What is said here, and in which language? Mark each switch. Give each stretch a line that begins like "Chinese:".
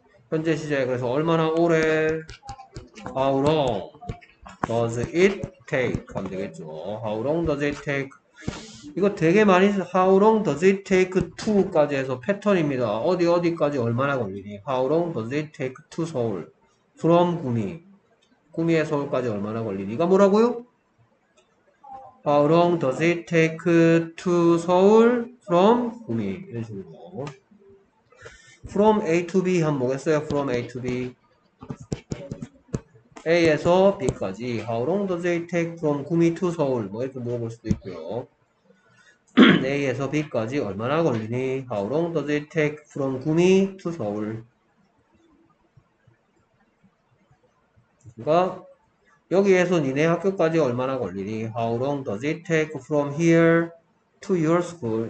Korean: 현재 시제. 그래서 얼마나 오래?
English: How long does it take?
Korean: 하면 되겠죠.
English: How long does it take?
Korean: 이거 되게 많이,
English: How long does it take to?
Korean: 까지 해서 패턴입니다. 어디까지 얼마나 걸리니?
English: How long does it take to 서울? From 구미.
Korean: 구미에 서울까지 얼마나 걸리니가 뭐라고요?
English: How long does it take to 서울 from 구미?
Korean: 이런 식으로.
English: From A to B
Korean: 한번 보겠어요?
English: From A to B.
Korean: A에서 B까지.
English: How long does it take from 구미 to 서울?
Korean: 뭐 이렇게 물어볼 수도 있고요. A에서 B까지 얼마나 걸리니?
English: How long does it take from 구미 to 서울?
Korean: 그러니까 여기에서 니네 학교까지 얼마나 걸리니?
English: How long does it take from here to your school?